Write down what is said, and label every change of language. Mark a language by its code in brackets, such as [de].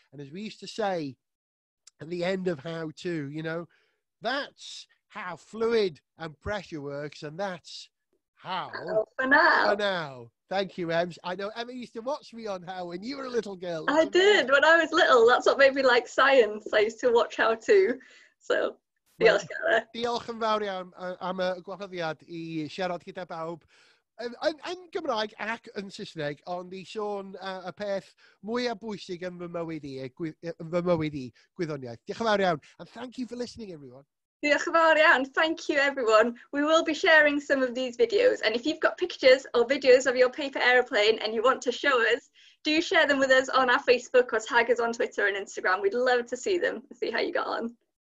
[en] And as we used to say at the end of How To, you know, that's how fluid and pressure works, and that's how for now. For now. Thank you, Ems. I know Emma used to watch me on How when you were a little girl. I did when I was little. That's what made me like science. I used to watch How To. So [cy] diolch yn fawr iawn am y gwahoddiad I siarad gyda bawb yn Gymraeg ac yn Saesneg, ond I sôn y peth mwyaf bwysig yn fy mywyd I, gwyddoniaeth. Diolch yn fawr iawn, [en] and thank you for listening, everyone. [cy] Diolch yn fawr iawn, [en] thank you, everyone. We will be sharing some of these videos, and if you've got pictures or videos of your paper aeroplane and you want to show us, do share them with us on our Facebook or tag us on Twitter and Instagram. We'd love to see them and see how you got on.